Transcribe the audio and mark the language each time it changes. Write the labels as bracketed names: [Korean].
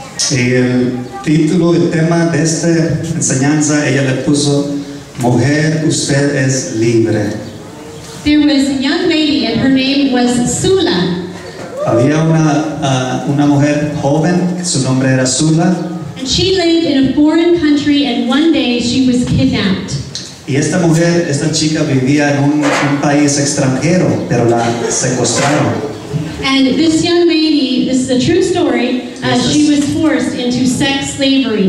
[Spanish] Y el título, el tema de esta enseñanza, ella le puso Mujer, usted es libre. [English] There was a young lady and her name was Sula. [Spanish] Había una mujer joven, su nombre era Sula. [English] And she lived in a foreign country and one day she was kidnapped. [Spanish] Y esta mujer, esta chica vivía en un país extranjero, pero la secuestraron. [English] And this young lady, this is a true story, she was forced into sex slavery.